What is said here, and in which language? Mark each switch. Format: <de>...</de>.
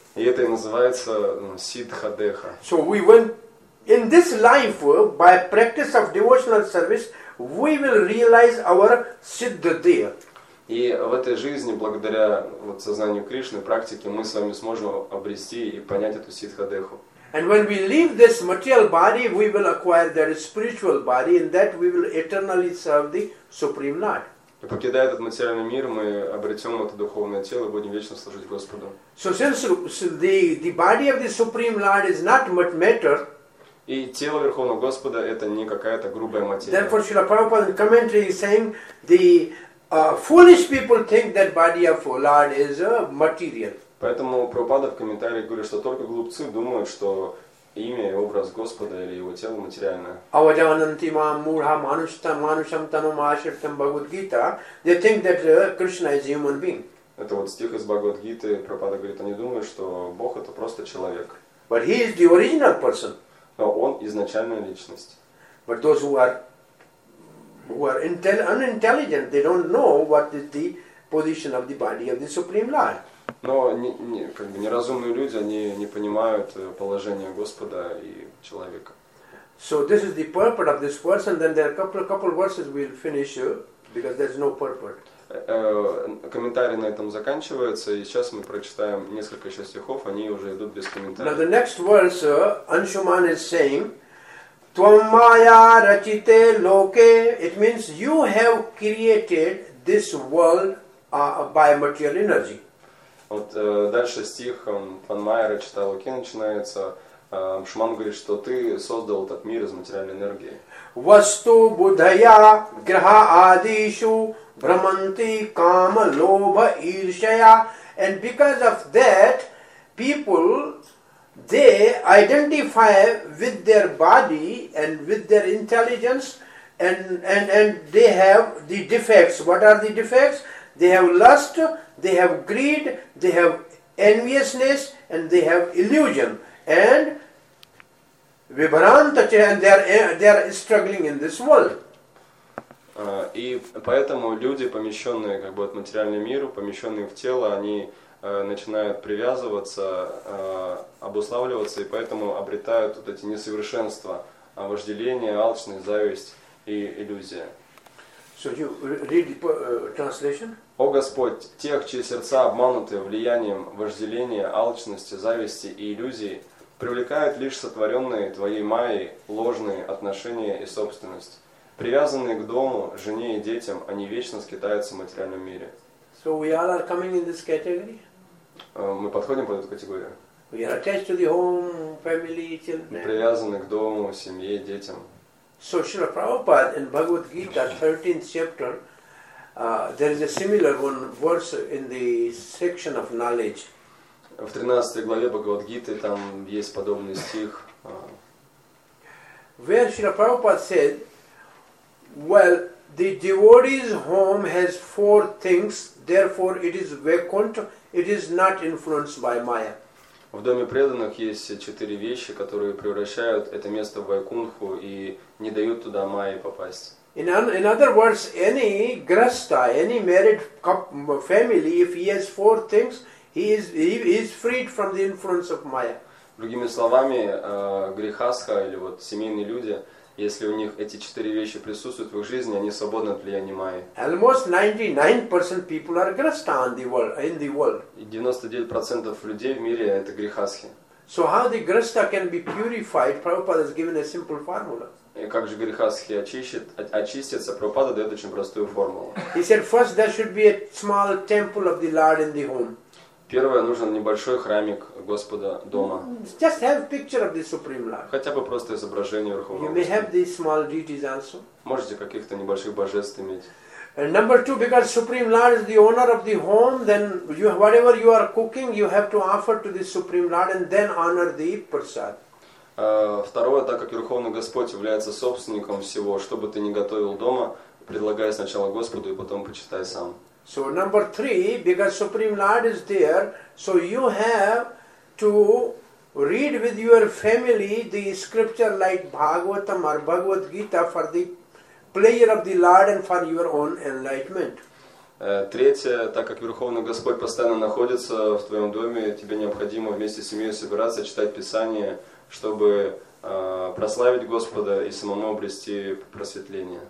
<ru>И это и называется сиддха-деха.</ru> <en>So we will, in this life, by practice of devotional service, we will realize our сиддха-деха.</en> <ru>И в этой жизни, благодаря вот сознанию Кришны, практике, мы с вами сможем обрести и понять эту сиддха-деху.</ru> <en>And when we leave this material body, we will acquire that spiritual body, and that we will eternally serve the Supreme Lord.</en> <ru>И покидая этот материальный мир, мы обретем это духовное тело и будем вечно служить Господу.</ru> <en>So since the body of the Supreme Lord is not matter,</en> <ru>и тело Верховного Господа это не какая-то грубая материя.</ru> <en>Therefore, Srila Prabhupada in commentary is saying the foolish people think that body of Lord is a material.</en> <ru>Поэтому Прабхупада в комментариях говорит, что только глупцы думают, что имя и образ Господа или его тело материальное.</ru> <sa>Avajananti mam murha manushtam tanum ashritam Bhagavad Gita.</sa> <en>They think that Krishna is human being.</en> <ru>Это вот стих из Бхагавад Гиты. Прабхупада говорит, они думают, что Бог это просто человек.</ru> <en>But he is the original person.</en> <ru>Но он изначальная личность.</ru> <en>But those who are unintelligent, they don't know what is the position of the body of the Supreme Lord.</en> <ru>Но неразумные люди, они не понимают положение Господа и человека.</ru> <en>So this is the purport of this verse, and then there are couple verses we'll finish because there's no purport.</en> <ru>Комментарии на этом заканчиваются, и сейчас мы прочитаем несколько еще стихов, они уже идут без комментариев.</ru> <en>Now the next verse, Anshuman is saying,</en> <sa>Твам мая рачите локе,</sa> <en>it means you have created this world by material energy.</en> <ru>Вот дальше стих Панмайера читал, окей, начинается. Шуман говорит, что ты создал этот мир из материальной энергии.</ru> <sa>Васту будхая граха адишу браманти кама лоба иршая.</sa> <en>And because of that, people, they identify with their body and with their intelligence and they have the defects. What are the defects? They have lust, they have greed, they have enviousness, and they have illusion. And vibhranta, they are struggling in this world.</en> <ru>И поэтому люди, помещенные как бы от материального мира, помещенные в тело, они начинают привязываться, обуславливаться, и поэтому обретают вот эти несовершенства, вожделение, алчность, зависть и иллюзия.</ru> <en>So you read the translation?</en> <ru>О Господь, тех, чьи сердца обмануты влиянием вожделения, алчности, зависти и иллюзий, привлекают лишь сотворенные твоей майей ложные отношения и собственность. Привязанные к дому, жене и детям, они вечно скитаются в материальном мире.</ru> <en>So we all are coming in this category?</en> <ru>Мы подходим под эту категорию.</ru> <en>We are attached to the home, family, children.</en> <ru>Мы привязаны к дому, семье, детям.</ru> <en>So Srila Prabhupada in Bhagavad Gita, 13th chapter, there is a similar one verse in the section of knowledge.</en> <ru>В 13 главе Бхагавад Гиты там есть подобный стих.</ru> <en>Where Srila Prabhupada said, well, the devotee's home has four things, therefore it is vacant, it is not influenced by Maya.</en> <ru>В доме преданных есть четыре вещи, которые превращают это место в Вайкунху и не дают туда Майи попасть.</ru> <en>In other words, any grihastha, any married family, if he has four things, he is freed from the influence of Maya.</en> <ru>Другими словами, грихастха или вот семейные люди, если у них эти четыре вещи присутствуют в их жизни, они свободны от влияния Майи.</ru> <en>Almost 99% people are grihastha in the world.</en> <ru>99% людей в мире это грихасхи.</ru> <en>So how the grihastha can be purified? Prabhupada has given a simple formula.</en> <ru>И как же грихасхи очистятся? Прабхупада дает очень простую формулу.</ru> <en>He said first there should be a small temple of the Lord in the home.</en> <ru>Первое, нужен небольшой храмик Господа дома.</ru> <en>Just have picture of the Supreme Lord.</en> <ru>Хотя бы просто изображение Верховного Господа.</ru> <en>You may have these small deities also.</en> <ru>Можете каких-то небольших божеств иметь.</ru> <en>And number two, because Supreme Lord is the owner of the home, then you, whatever you are cooking, you have to offer to the Supreme Lord and then honor the prasad.</en> <ru>Второе, так как Верховный Господь является собственником всего, что бы ты ни готовил дома, предлагай сначала Господу и потом почитай сам.</ru> <en>So number three, because Supreme Lord is there, so you have to read with your family the scripture like Bhagavatam or Bhagavad Gita for the pleasure of the Lord and for your own enlightenment.</en> <ru>Третье, так как Верховный Господь постоянно находится в твоем доме, тебе необходимо вместе с семьей собираться, читать Писание, чтобы прославить Господа и самому обрести просветление.</ru>